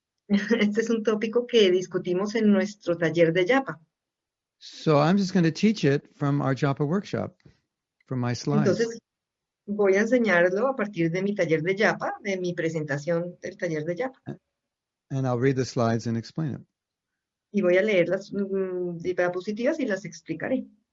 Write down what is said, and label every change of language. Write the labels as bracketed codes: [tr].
[es] Este es un tópico que discutimos en nuestro taller de Japa. [en] So I'm just going to teach it from our Japa workshop, from my slides. [es] Entonces, voy a enseñarlo a partir de mi taller de Japa, de mi presentación del taller de Japa. [en] And I'll read the slides and explain it. [es] Y voy a leer las diapositivas y las explicaré.